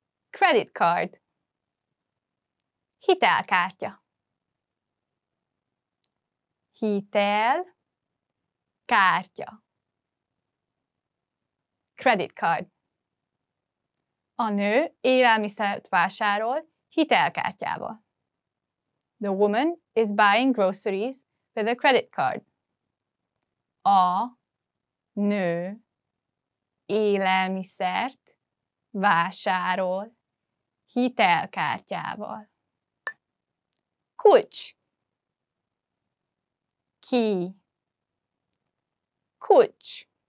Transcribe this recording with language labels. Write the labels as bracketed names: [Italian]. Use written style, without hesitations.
[English] Credit card. Hitelkártya. [Hungarian] Hitelkártya. [English] Credit card. [Hungarian] A nő élelmiszert vásárol hitelkártyával. [English] The woman is buying groceries with a credit card. [Hungarian] A nő élelmiszert vásárol hitelkártyával. Kulcs. Key. Kulcs.